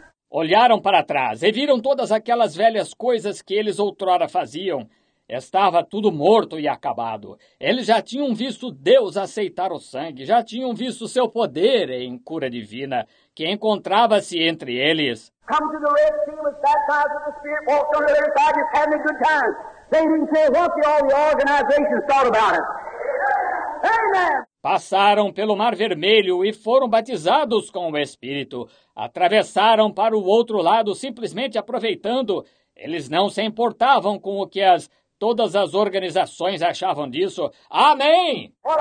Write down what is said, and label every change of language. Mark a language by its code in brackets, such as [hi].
[pt] Olharam para trás e viram todas aquelas velhas coisas que eles outrora faziam. Estava tudo morto e acabado. Eles já tinham visto Deus aceitar o sangue, já tinham visto seu poder em cura divina, que encontrava-se entre eles. [en] Come to the Red Sea, was baptized with the Spirit, walked on the other side, just having a good time. They didn't care what all the organizations thought about it. Amen! [pt] Passaram pelo Mar Vermelho e foram batizados com o Espírito. Atravessaram para o outro lado, simplesmente aproveitando. Eles não se importavam com o que as... todas as organizações achavam disso. Amém!